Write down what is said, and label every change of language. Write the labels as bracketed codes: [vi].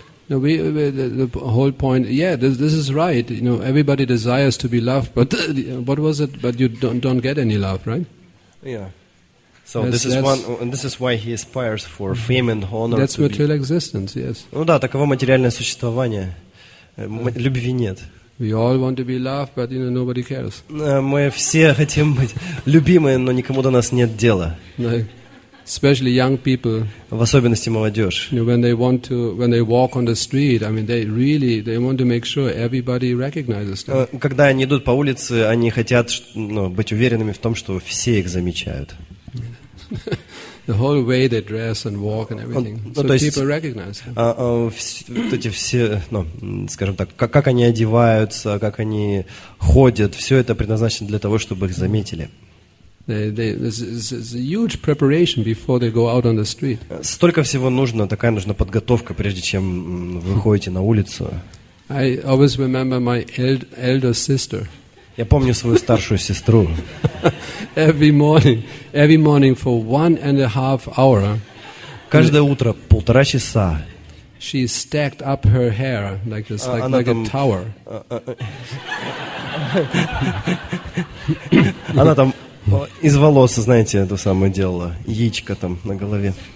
[en] No, the whole point. Yeah, this is right. You know, everybody desires to be loved, but what was it? But you don't get any love, right? Yeah. So this is why he aspires for fame and honor. That's material existence. Yes. [ru] Ну да, таково материальное существование. Любви нет. [en] We all want to be loved, but you know nobody cares. [ru] Мы все хотим быть любимыми, но никому до нас нет дела. [en] Like, especially young people, [ru] в особенности молодежь, когда они идут по улице, они хотят, ну, быть уверенными в том, что все их замечают. [en] The whole way they dress and walk and everything. People recognize them. [ru] Как они одеваются, как они ходят, все это предназначено для того, чтобы их заметили. [en] There's a huge preparation before they go out on the street. [ru] Столько всего нужно, такая нужна подготовка, прежде чем вы выходите на улицу. [en] I always remember my elder sister. [ru] Я помню свою старшую сестру. [en] Every morning for 1.5 hours. [ru] Каждое утро полтора часа. [en] She stacked up her hair like this, like a tower. [ru] Она там из волос, знаете, это самое делала, яичко там на голове.